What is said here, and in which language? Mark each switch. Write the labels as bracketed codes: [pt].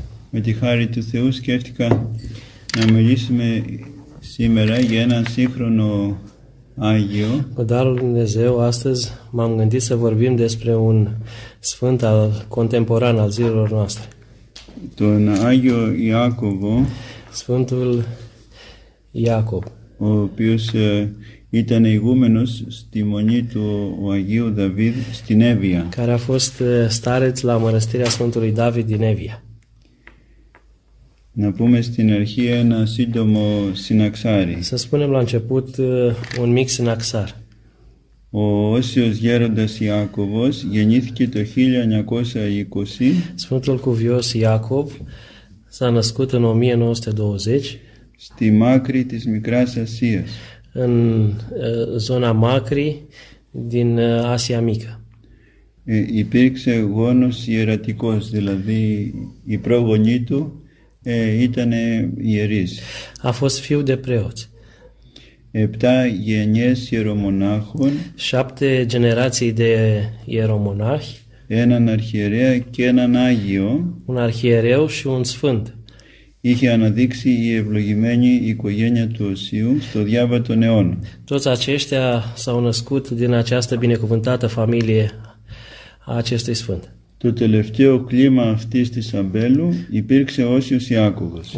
[el] Με τη χάρη του Θεού σκέφτηκα να μιλήσουμε σήμερα για έναν σύγχρονο Άγιο. [ro] Cu darul lui Dumnezeu, astăzi m-am gândit să vorbim despre un sfânt al contemporan al zilelor noastre. [el] Tun Agio Iacovo, [ro] Sfântul Iacob. [el] O pius ήταν ηγούμενος στη μονή του ο Αγίου Δαβίδ στην Εύβοια. [ro] Care a fost stareț la mănăstirea Sfântului David din Εύβοια. [el] Να πούμε στην αρχή ένα σύντομο συναξάρι. [ro] Să spunem la început un mic συναξάρ. [el] Ο Όσιος Γέροντας Ιάκωβος γεννήθηκε το 1920. [ro] Sfântul Cuvios Iacob s-a născut în 1920 [el] στη Μάκρη της Μικράς Ασίας. [ro] În zona Μάκρη din Asia Mică. [el] Υπήρξε γόνος ιερατικός, δηλαδή η προγονή του ήταν ιερείς. [ro] A fost fiul de preot. [el] 7 γενιές ιερομονάχων. [ro] 7 generații de ieromonahi. [el] Έναν αρχιερέα και έναν άγιο. [ro] Un arhiereu și un sfânt. [el] Είχε αναδείξει η ευλογημένη οικογένεια του Οσίου στο διάβα των αιώνων. [ro] Toți aceștia s-au născut din această binecuvântată familie a acestui sfânt. [el] Το τελευταίο κλίμα αυτής της αμπέλου υπήρξε Όσιος Ιάκωβος.